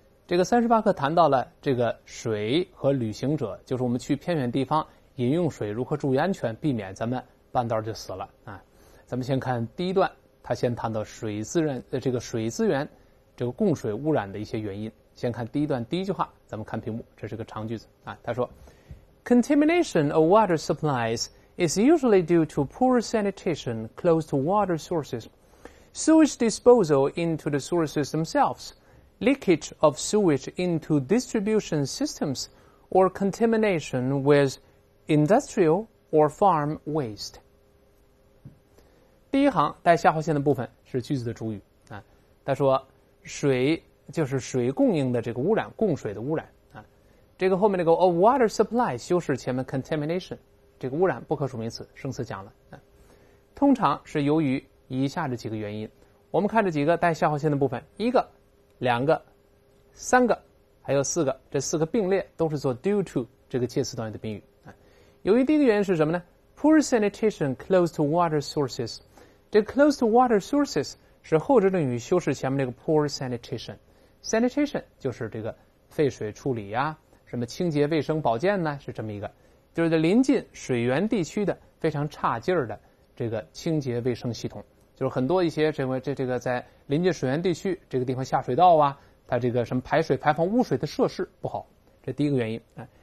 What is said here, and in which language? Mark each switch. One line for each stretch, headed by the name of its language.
Chinese: 这个38课谈到了这个水和旅行者，就是我们去偏远地方饮用水如何注意安全，避免咱们半道就死了啊。咱们先看第一段，他先谈到水资源的这个水资源这个供水污染的一些原因。先看第一段第一句话，咱们看屏幕，这是个长句子啊。他说
English: ：“Contamination of water supplies is usually due to poor sanitation close to water sources, sewage disposal into the sources themselves, leakage of sewage into distribution systems, or contamination with industrial or farm waste.”
Chinese: 第一行带下划线的部分是句子的主语啊，他说水。就是水供应的这个污染，供水的污染啊。这个后面那个
English: of water supply
Chinese: 修饰前面 contamination， 这个污染不可数名词，生词讲了啊。通常是由于以下这几个原因，我们看这几个带下划线的部分，一个、两个、三个，还有四个，这四个并列都是做 due to 这个介词短语的宾语啊。由于第一个原因是什么呢 ？
English: Poor sanitation close to water sources，
Chinese: 这
English: close to water sources
Chinese: 是后置定语修饰前面那个 poor sanitation。 Sanitation 就是这个废水处理啊，什么清洁卫生保健呢，是这么一个，就是临近水源地区的非常差劲儿的这个清洁卫生系统，就是很多一些这个在临近水源地区这个地方下水道啊，它这个什么排水排放污水的设施不好，这第一个原因啊。